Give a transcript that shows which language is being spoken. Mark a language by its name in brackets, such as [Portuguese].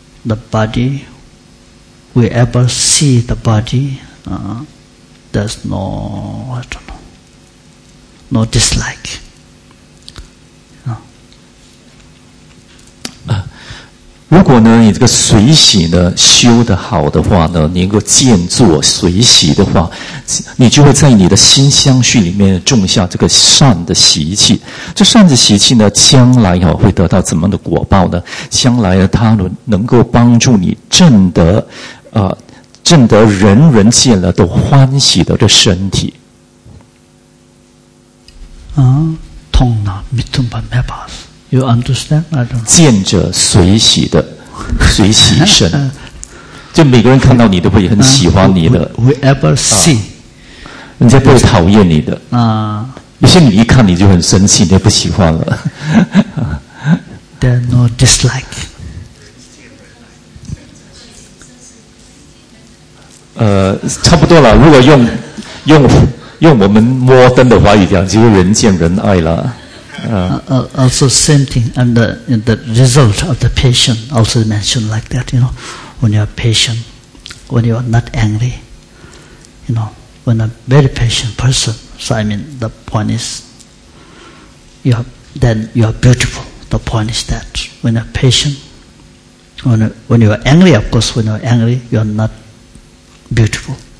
[English] The body, we ever see the body, there's no, I don't know, no dislike. [Chinese] 如果呢你这个随喜呢修得好的话呢，你能够见作随喜的话，你就会在你的心相续里面种下这个善的习气。这善的习气呢将来啊会得到怎么的果报呢？将来呢它能够帮助你证得人人见了都欢喜的这身体。 [Tibetan] 痛哪密痛把没把死 [English] You understand? I don't know. [Chinese] 见者随喜的随喜神就每个人看到你都会很喜欢你的 [English] Whoever see、 [Chinese] 人家不会讨厌你的有些你一看你就很生气你就不喜欢了 [English] There's no dislike [Chinese] 差不多了如果用我们摩登的话语讲就是人见人爱了 [English] Also same thing and the result of the patient also mentioned like that you know when you are patient when you are not angry you know when a very patient person so I mean the point is you are, then you are beautiful the point is that when you are patient when you are angry of course when you are angry you are notBeautiful.